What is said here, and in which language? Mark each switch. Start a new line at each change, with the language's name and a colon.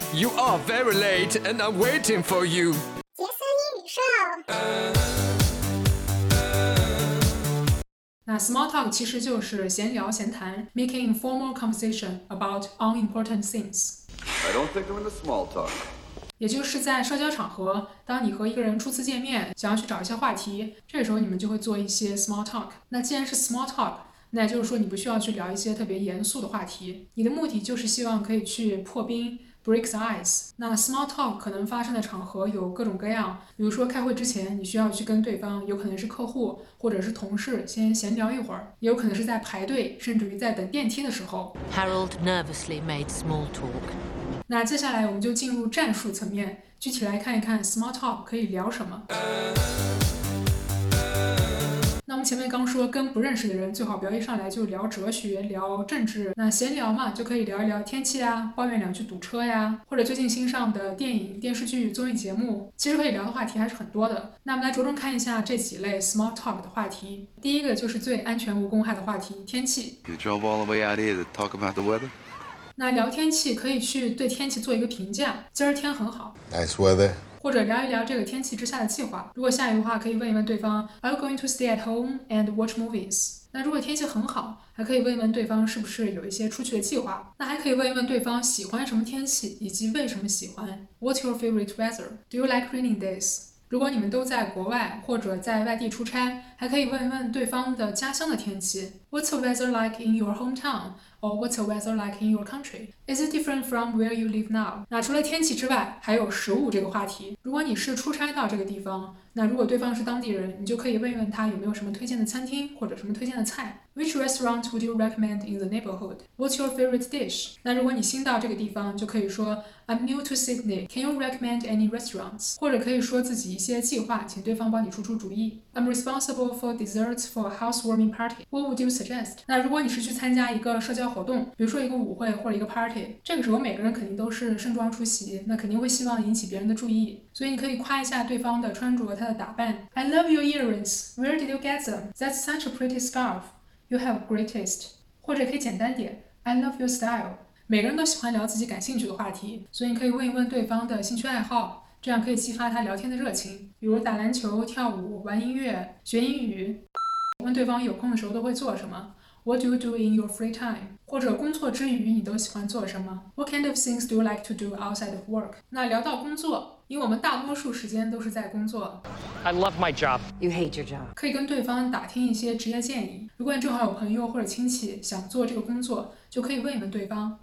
English: You are very late, and I'm waiting for you.
Chinese: 杰斯英语秀。那 small talk 其实就是闲聊闲谈 ，
English: making informal conversation about unimportant things. I don't think I'm in the small talk.
Chinese: 也就是在社交场合，当你和一个人初次见面，想要去找一些话题，这时候你们就会做一些 small talk。那既然是 small talk， 那就是说你不需要去聊一些特别严肃的话题，你的目的就是希望可以去破冰 ，
English: break the ice。
Chinese: 那 small talk 可能发生的场合有各种各样，比如说开会之前，你需要去跟对方，有可能是客户或者是同事，先闲聊一会儿，也有可能是在排队，甚至于在等电梯的时候。
English: Harold nervously made small talk.
Chinese: 那接下来我们就进入战术层面，具体来看一看 small talk 可以聊什么。那我们前面刚说，跟不认识的人最好不要一上来就聊哲学、聊政治。那闲聊嘛，就可以聊一聊天气啊，抱怨两句堵车呀，或者最近新上的电影、电视剧、综艺节目。其实可以聊的话题还是很多的。那我们来着重看一下这几类 small talk 的话题。第一个就是最安全无公害的话题，天气。
English: You drove all the way out here to talk about the weather?
Chinese: 那聊天气可以去对天气做一个评价，今儿天很好
English: ，Nice weather。
Chinese: 或者聊一聊这个天气之下的计划，如果下雨的话，可以问一问对方 ，
English: Are you going to stay at home and watch movies？
Chinese: 那如果天气很好，还可以问一问对方是不是有一些出去的计划。那还可以问一问对方喜欢什么天气，以及为什么喜欢 ，
English: What's your favorite weather？ Do you like rainy days？
Chinese: 如果你们都在国外或者在外地出差，还可以问一问对方的家乡的天气 ，
English: What's the weather like in your hometown？ Or what's the weather like in your country? Is it different from where you live now?
Chinese: 那除了天气之外，还有食物这个话题。如果你是出差到这个地方，那如果对方是当地人，你就可以问一问他有没有什么推荐的餐厅或者什么推荐的菜。
English: Which restaurant would you recommend in the neighborhood? What's your favorite dish?
Chinese: 那如果你新到这个地方，就可以说
English: I'm new to Sydney. Can you recommend any restaurants?
Chinese: 或者可以说自己一些计划，请对方帮你出出主意。
English: I'm responsible for desserts for a housewarming party. What would you suggest?
Chinese: 那如果你是去参加一个社交活动，比如说一个舞会或者一个 party， 这个时候每个人肯定都是盛装出席，那肯定会希望引起别人的注意，所以你可以夸一下对方的穿着，他的打扮。
English: I love your earrings. Where did you get them? That's such a pretty scarf. You have great taste.
Chinese: 或者可以简单点
English: ，I love your style.
Chinese: 每个人都喜欢聊自己感兴趣的话题，所以你可以问一问对方的兴趣爱好，这样可以激发他聊天的热情，比如打篮球、跳舞、玩音乐、学英语。问对方有空的时候都会做什么。
English: What do you do in your free time?
Chinese: 或者工作之余你都喜欢做什么？
English: What kind of things do you like to do outside of work?
Chinese: 那聊到工作，因为我们大多数时间都是在工作。
English: I love my job. You hate your job.
Chinese: 可以跟对方打听一些职业建议。如果你正好有朋友或者亲戚想做这个工作，就可以问你们对方。